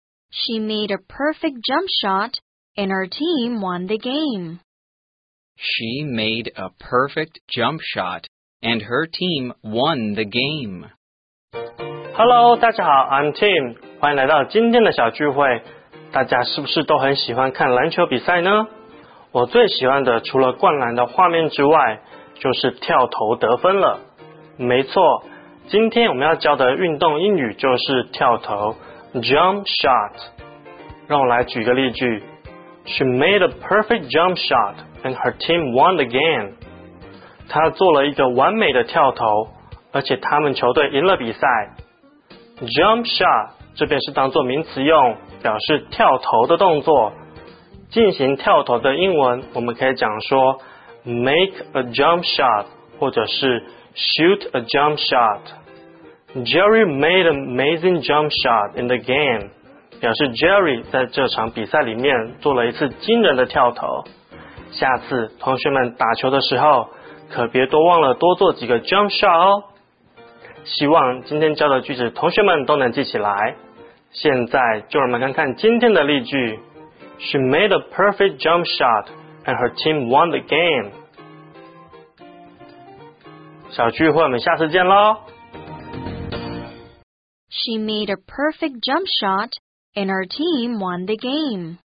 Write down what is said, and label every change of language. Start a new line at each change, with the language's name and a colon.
English: She made a perfect jump shot, and her team won the game. She made a perfect jump shot, and her team won the game. Hello,
Chinese: 大家好
English: I'm Tim.
Chinese: 欢迎来到今天的小聚会。大家是不是都很喜欢看篮球比赛呢？我最喜欢的除了灌篮的画面之外，就是跳投得分了。没错。今天我们要教的运动英语就是跳投 jump shot。让我来举个例句，
English: She made a perfect jump shot and her team won the game。
Chinese: 她做了一个完美的跳投，而且他们球队赢了比赛。 jump shot 这边是当作名词用，表示跳投的动作。进行跳投的英文我们可以讲说
English: make a jump shot
Chinese: 或者是
English: Shoot a jump shot. Jerry made an amazing jump shot in the game.
Chinese: 表示 Jerry 在这场比赛里面做了一次惊人的跳投。下次同学们打球的时候，可别多忘了多做几个 jump shot 哦。希望今天教的句子同学们都能记起来。现在就让我们看看今天的例句。
English: She made a perfect jump shot and her team won the game.
Chinese: 小聚会我们下次见咯。
English: She made a perfect jump shot, and her team won the game.